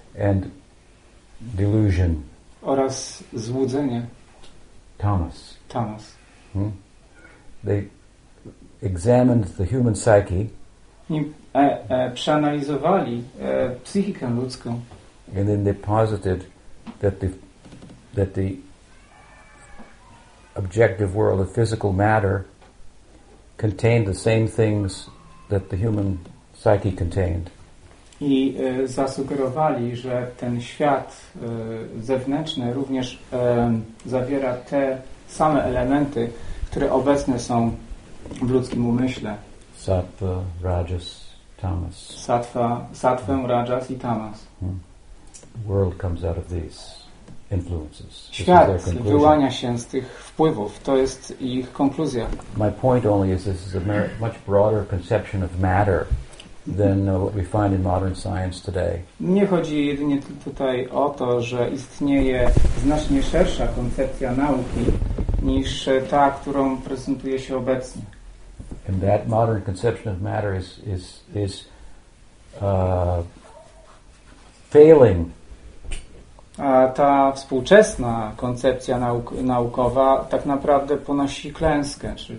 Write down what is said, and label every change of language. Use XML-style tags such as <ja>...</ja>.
<en>And delusion.</en> <pl>Oraz złudzenie.</pl> <en>Tamas.</en> <pl>Tamas.</pl> <en>They examined the human psyche.</en> <pl>Przeanalizowali psychikę ludzką.</pl> <en>And then they posited that the objective world of physical matter contained the same things that the human psyche contained.</en> <pl>I zasugerowali, że ten świat zewnętrzny również zawiera te same elementy, które obecne są w ludzkim umyśle.</pl> <en>Sattva, rajas, tamas.</en> <pl>Sattva, rajas i tamas.</pl> <en>The world comes out of these influences.</en> <pl>Świat wyłania się z tych wpływów. To jest ich konkluzja.</pl> <en>My point only is this is a much broader conception of matter than what we find in modern science today.</en> <pl>Nie chodzi jedynie tutaj o to, że istnieje znacznie szersza koncepcja nauki niż ta, którą prezentuje się obecnie.</pl> <en>And that modern conception of matter is failing.</en> <pl>A ta współczesna koncepcja naukowa tak naprawdę ponosi klęskę.</pl>